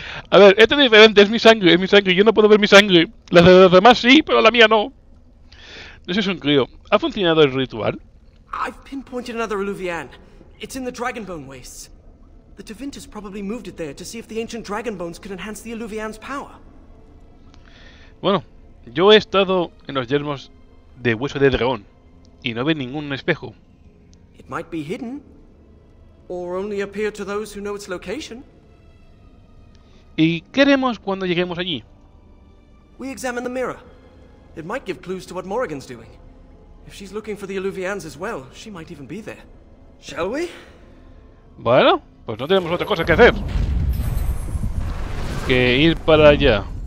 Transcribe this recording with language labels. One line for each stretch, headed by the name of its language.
Spanish: A ver, esto es diferente, es mi sangre, es mi sangre. Yo no puedo ver mi sangre. Las de los demás sí, pero la mía no. No sé si es un crío. ¿Ha funcionado el ritual?
English: I've pinpointed another alluvian. It's in the Dragonbone Wastes. The Tevintas probably moved it there to see if the ancient Dragonbones could enhance the alluvian's power.
Spanish: Bueno, yo he estado en los yermos de hueso de dragón y no vi ningún espejo.
English: It might be hidden, or only appear to those who know its location.
Spanish: ¿Y qué haremos cuando lleguemos allí?
English: We examine the mirror. It might give clues to what Morrigan's doing. If she's looking for the alluvians as well, she might even be there. Shall we?
Spanish: Bueno, pues no tenemos otra cosa que hacer que ir para allá.